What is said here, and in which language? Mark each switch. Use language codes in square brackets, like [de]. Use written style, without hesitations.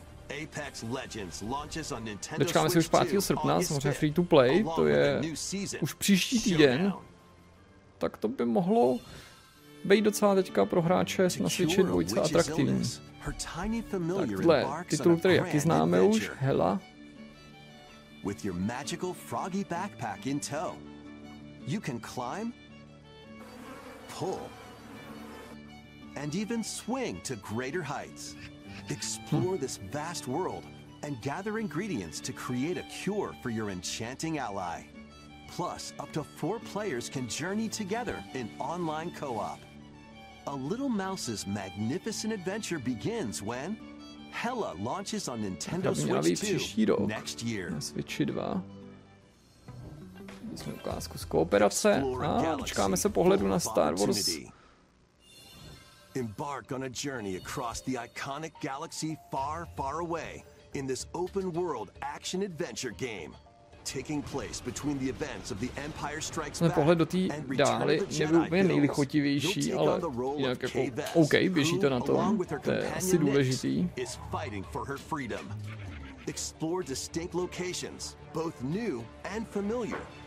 [en] Apex Legends launches on Nintendo. [cs] Dočkáme se už 5. srpna, samozřejmě free to play, to je už příští týden. Tak to by mohlo být docela teďka pro hráče na Switchi dvojice atraktivní. Tak tohle titul, který jaký známe už, Hela. [en] With your magical froggy backpack in tow, you can climb, pull, and even swing to greater heights. Explore this vast world and gather ingredients to create a cure for your enchanting ally. Plus, up to four players can journey together in online co-op. A little mouse's magnificent adventure begins when Hela launches on Nintendo Switch 2 next year. Switch 2. [cs] Jsme ukázku z kooperace a dočkáme se pohledu na Star Wars. [en] Embark on a journey across the iconic galaxy far, far away in this open-world action-adventure game, taking place between the events of the Empire Strikes Back. [cs] Pohled do té dále nebyl úplně nejlichotivější, ale jinak jako OK, běží to na to, to je asi důležitý. [en] Is fighting for her freedom. Explore distinct locations, both new and familiar.